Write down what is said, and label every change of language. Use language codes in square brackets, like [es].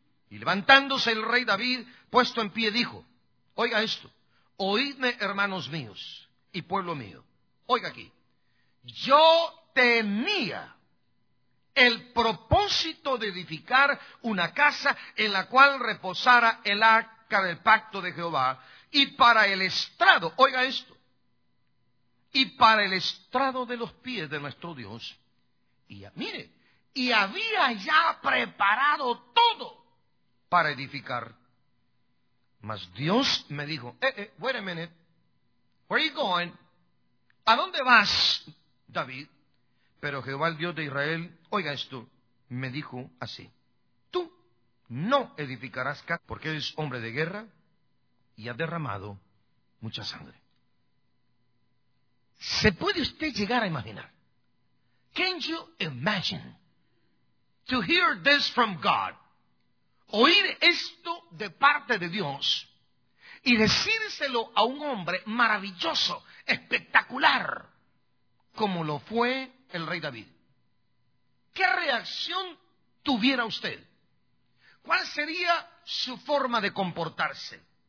[es] Y levantándose el rey David, puesto en pie, dijo: oiga esto, oídme, hermanos míos y pueblo mío, oiga aquí, yo tenía el propósito de edificar una casa en la cual reposara el arca del pacto de Jehová, y para el estrado, oiga esto, y para el estrado de los pies de nuestro Dios, y mire, y había ya preparado todo para edificar. Mas Dios me dijo: [en] wait a minute, where are you going? [es] ¿A dónde vas, David? Pero Jehová, el Dios de Israel, oiga esto, me dijo así: tú no edificarás casa, porque eres hombre de guerra y has derramado mucha sangre. ¿Se puede usted llegar a imaginar? [en] Can you imagine to hear this from God? [es] Oír esto de parte de Dios y decírselo a un hombre maravilloso, espectacular, como lo fue el rey David. ¿Qué reacción tuviera usted? ¿Cuál sería su forma de comportarse?